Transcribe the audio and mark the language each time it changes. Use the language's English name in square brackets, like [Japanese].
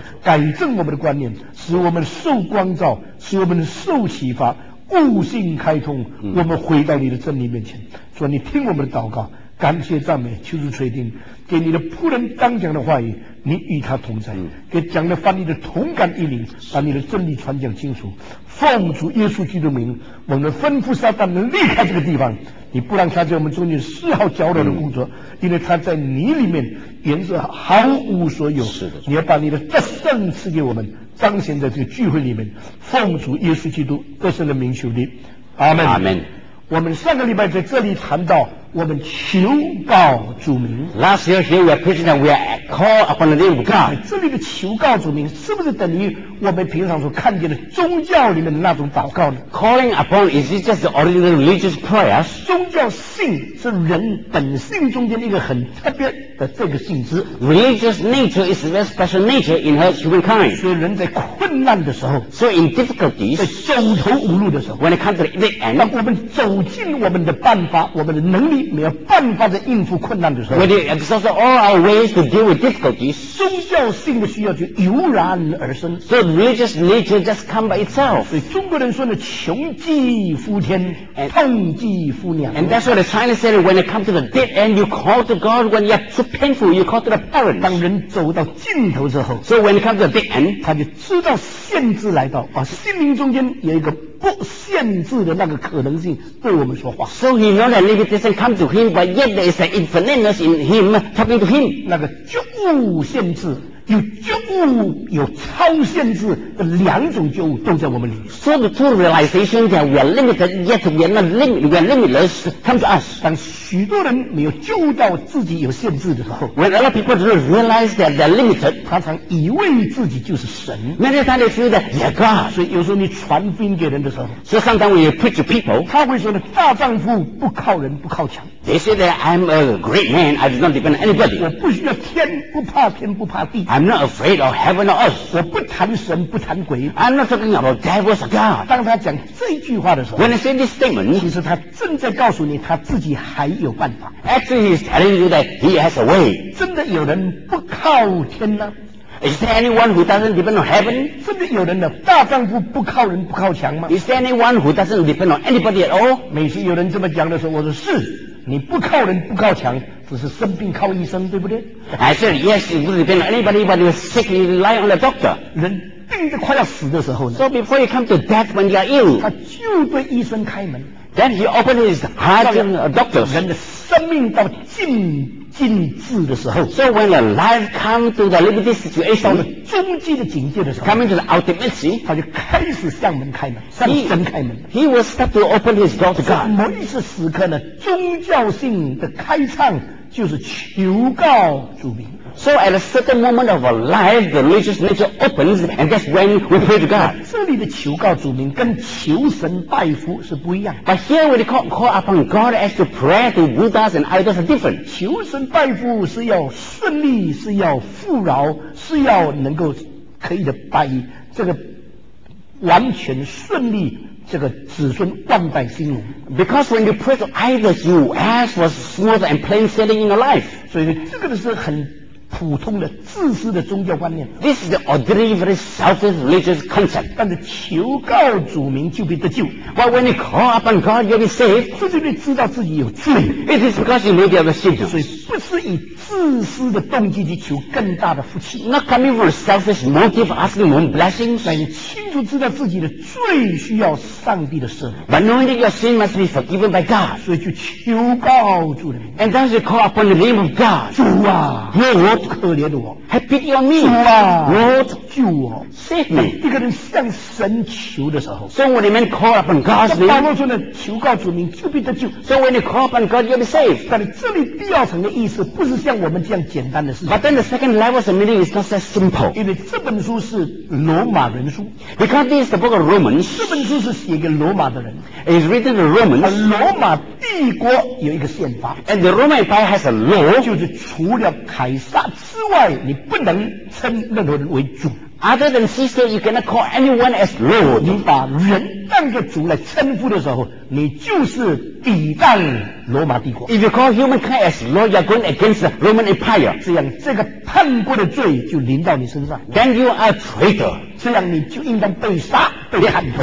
[Chinese] 改正我们的观念使我们受光照使我们受启发悟性开通我们回到你的真理面前说你听我们的祷告感谢赞美求主垂听给你的仆人当讲的话语你与他同在给讲的翻译的同感一领把你的真理传讲清楚奉主耶稣基督名我们吩咐撒旦能离开这个地方你不让他在我们中间丝毫搅扰的工作因为他在你里面原则毫无所有是的你要把你的得胜赐给我们彰显在这个聚会里面奉主耶稣基督得胜的名求你阿们阿们我们上个礼拜在这里谈到我们求告主名 [English] Last year here we are preaching that we are called upon the name of God [Chinese] 这里的求告主名是不是等于我们平常所看见的宗教里面的那种祷告呢 [English] Calling upon is it just the ordinary religious prayer [Chinese] 宗教性是人本性中间的一个很特别的这个性质 [English] Religious nature is a very special nature in her humankind [Chinese] 所以人在困难的时候 [English] So in difficulties [Chinese] 在走投无路的时候 [English] When it comes to the end [Chinese] 当我们走进我们的办法我们的能力没有办法在应付困难的时候 [English] When you exhaust all our ways to deal with difficulties [Chinese] 宗教性的需要就油然而生 [English] So religious nature just come by itself [Chinese] 所以中国人说呢穷极乎天痛极乎娘 [English] And that's what the Chinese said when it comes to the dead end you call to God when you're so painful you call to the parents [Chinese] 当人走到尽头之后 [English] So when it comes to the dead end [Chinese] 他就知道限制来到、啊、心灵中间有一个不限制的那个可能性对我们说话 [English] So he knows that limitation come to him but yet there is an infiniteness in him talking to him [Chinese] 那个就限制有觉悟，有超限制的两种觉悟都在我们里面。 [English] So the two realizations that we are limited, yet we are not limited, we are limitless, come to us. [Chinese] 当许多人没有觉悟到自己有限制的时候 [English] ，When a lot of people realize that they're limited, [Chinese] 常常以为自己就是神。 [English] Many times they feel that they're God. [Chinese] 所以有时候你传福音给人的时候 [English] ，So sometimes we preach to people, [Chinese] 他会说呢，大丈夫不靠人，不靠墙。 [English] They say that I'm a great man, I do not depend on anybody. [Chinese] 我不需要天，不怕天，不怕地。 [English] I'm not afraid of heaven or earth. [Chinese] 我不谈神，不谈鬼。 [English] I'm not talking about devils or God. [Chinese] 当他讲这句话的时候 [English] ，When he said this statement, [Chinese] 其实他正在告诉你他自己还有办法。 [English] Actually, he's telling you that he has a way. [Chinese] 真的有人不靠天呢？ [English] Is there anyone who doesn't depend on heaven? [Chinese] 是不是有人的大丈夫不靠人不靠墙吗 [English] ？Is there anyone who doesn't depend on anybody at all? [Chinese] 每次有人这么讲的时候，我说是，你不靠人不靠墙，只是生病靠医生，对不对 [English] ？I said yes, you don't depend on anybody, but you're sick, you rely on the doctor. [Chinese] 人病得快要死的时候呢 [English] ？So before you come to death when you are ill, [Chinese] 他就对医生开门。 [English] Then he opened his heart to the doctors. [Chinese] 人的生命到尽。尽致的时候 [English] ，So when the life come to the limited situation， [Chinese] 到了终极的境界的时候 [English] ，Coming to the ultimate， [Chinese] 他就开始向门开门，向神开门。 [English] He will start to open his door to God。 [Chinese] 某一次时刻呢，宗教性的开唱就是求告主名。 [English] So at a certain moment of our life, the religious nature opens, and that's when we pray to God. [Chinese] 这里的求告主名跟求神拜佛是不一样。 [English] But here we call upon God as to pray to Buddhas and idols are different. [Chinese] 求神拜佛是要顺利，是要富饶，是要能够可以的拜这个完全顺利。这个子孙万代兴隆。 [English] Because when you pray to idols, you ask for smooth and plain sailing in your life. [Chinese] 所以这个是很普通的自私的宗教观念。 [English] This is the ordinary, very selfish religious concept. [Chinese] 但是求告主名就必得救。 [English] But when you call upon God, you'll be saved. [Chinese] 这就是知道自己有罪。 [English] It is because you know you have a sin. [Chinese] 所以不是以自私的动机去求更大的福气。 [English] Not coming from a selfish motive asking for blessings. [Chinese] 但你清楚知道自己的罪需要上帝的赦免。 [English] But knowing that your sin must be forgiven by God. [Chinese] 所以就求告主的名。 And then you call upon the name of God. 主啊，耶和。可怜的我 [English] ，Have pity on me， [Chinese] 主啊 [English] ，Lord， [Chinese] 救我 [English] ，Save me。 [Chinese] 一个人向神求的时候 [English] ，So when a man call upon God's name， [Chinese] 保罗说呢，求告主名就必得救。 [English] So when you call upon God, you'll be saved。 [Chinese] 但是这里第二层的意思不是像我们这样简单的事情。 [English] But then the second level of meaning is not that simple。 [Chinese] 因为这本书是罗马人书 [English] ，Because this is the book of Romans。 [Chinese] 这本书是写给罗马的人 [English] ，It's written to Romans。 [Chinese] 罗马帝国有一个宪法 [English] ，And the Roman Empire has a law， [Chinese] 就是除了凯撒。之外你不能称任何人为主 [English] other than Caesar you cannot call anyone as Lord [Chinese] 你把人当作主来称呼的时候你就是抵挡罗马帝国 [English] if you call humankind as Lord you are going against the Roman Empire [Chinese] 这样这个叛国的罪就临到你身上 [English] then you are a traitor [Chinese] 这样你就应当被杀被砍头